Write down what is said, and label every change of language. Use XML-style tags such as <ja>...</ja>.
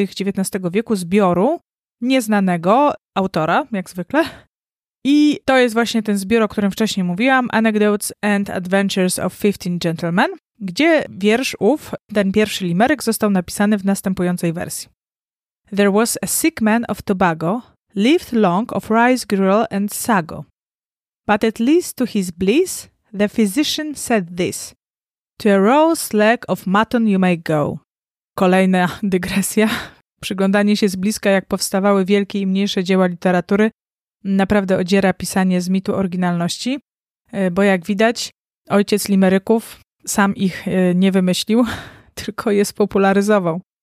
<pl>XIX wieku zbioru nieznanego autora, jak zwykle. I to jest właśnie ten zbiór, o którym wcześniej mówiłam, Anecdotes and Adventures of 15 Gentlemen, gdzie wiersz ów, ten pierwszy limeryk, został napisany w następującej wersji.</pl> <en>There was a sick man of Tobago, lived long of rice gruel and sago. But at least to his bliss, the physician said this. To a roast leg of mutton you may go.</en> <pl>Kolejna dygresja. Przyglądanie się z bliska, jak powstawały wielkie i mniejsze dzieła literatury, naprawdę odziera pisanie z mitu oryginalności, bo jak widać, ojciec limeryków sam ich nie wymyślił, tylko je spopularyzował.</pl>